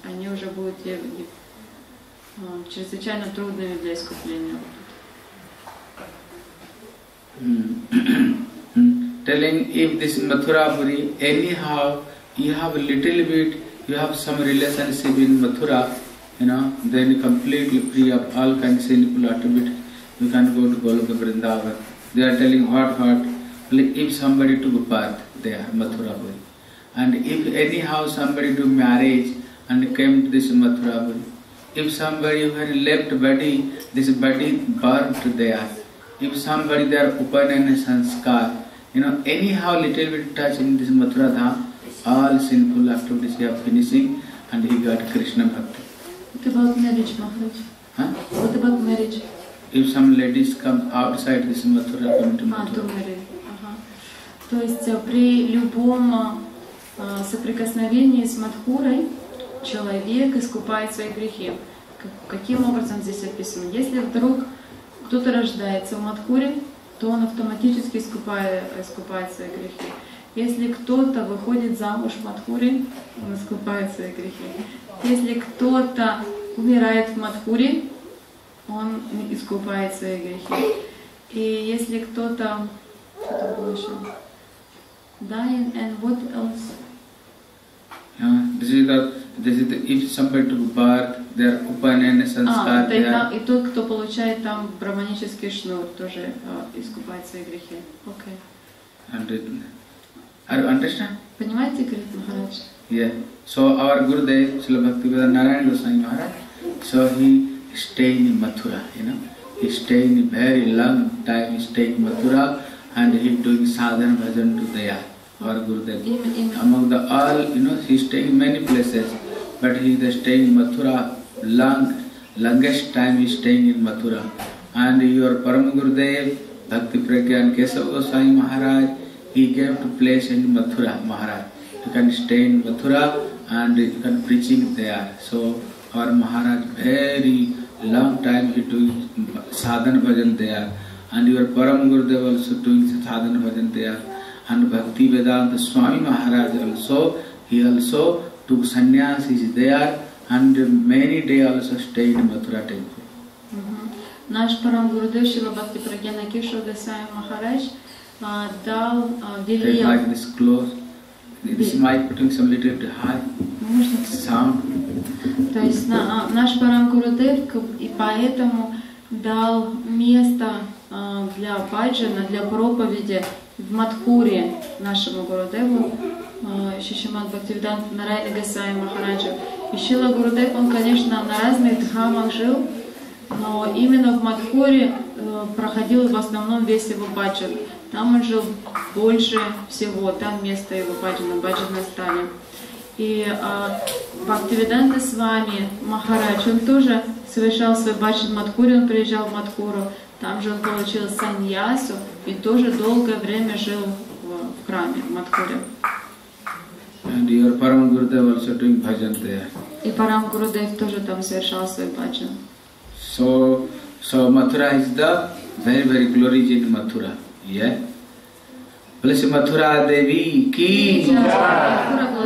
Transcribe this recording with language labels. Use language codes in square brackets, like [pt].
[ru] Они уже будут чрезвычайно трудными для искупления. [en] Telling if this Mathura Puri, anyhow, you have a little bit, you have some relationship in Mathura, you know, then completely free of all kinds of sinful attributes, you can go to Goloka Vrindavan. They are telling what, if somebody took a path there, Mathura Puri. And if anyhow somebody do marriage and came to this Mathura Puri, if somebody had left body, this body burnt there. If somebody there upanayana sanskar, you know, anyhow little bit touch in this Mathura Dham, all sinful activities are finishing and he got Krishna Bhakti. What about marriage, Maharaj? Huh? What about marriage? If some ladies come outside this Mathura, come to Mathura. To marriage. Ага. [ru] То есть при любом соприкосновении с Мадхурой, человек искупает свои грехи. Каким образом здесь описано? Если вдруг кто-то рождается в Мадхуре, то он автоматически искупает свои грехи. Если кто-то выходит замуж в Мадхуре, он искупает свои грехи. Если кто-то умирает в Мадхуре, он искупает свои грехи. И если кто-то... Что-то было еще? [en] Dying and what else? This is the, if somebody took birth, they are upanayana sanskar. [ru] И тот, кто получает там брахманический шнур, тоже искупает свои грехи. [en] Okay. And it, are you understand? [ru] Понимаете, говорит Махарадж? [en] Yeah. So our Gurudev, Srila Bhaktivedanta Narayana Goswami Maharaj, so he stayed in Mathura, you know. He stayed in very long time, he stayed in Mathura, and he doing sadhana bhajan to Daya. Our Gurudev. Among the all, you know, he is staying in many places, but he is staying in Mathura, longest time he is staying in Mathura. And your Param Gurudev, Bhakti Pragyan Kesava Goswami Maharaj, he came to place in Mathura, Maharaj. You can stay in Mathura and you can preaching there. So our Maharaj, very long time he doing sadhana bhajan there. And your Param Gurudev also doing sadhana bhajan there. And Bhakti Vedanta Swami Maharaj also, he also took sannyas, is there, and many day also stayed in Mathura temple. [ru] Наш Param Гурудев Шрила Бхакти Прагьяна Кешава Госвами Махарадж дал велел... [en] Take like this close. This mic putting some little bit high. [ru] Можно? [en] Sound. [ru] То есть наш Param Гурудев и поэтому дал место для баджана, для проповеди в Мадхуре нашему Гурудеву, Шишимад Бхактивиданта Нарайана Госвами Махараджу. И Шрила Гурудев, он, конечно, на разных дхамах жил, но именно в Мадхуре проходил в основном весь его баджан. Там он жил больше всего, там место его баджана, баджана стали. И Бхактивиданта с вами, Махарадж, он тоже совершал свой баджан в Мадхуре, он приезжал в Мадхуру. Там же он получил саньясу и тоже долгое время жил в храме, в Мадхуре. [en] And your Param Gurudev also doing bhajan there. [ru] И Param Gurudev тоже там совершал свой bhajan. [en] So Mathura is the very, very glorious in Mathura. Yeah? Bless Mathura Devi Ki. Yeah. Yeah.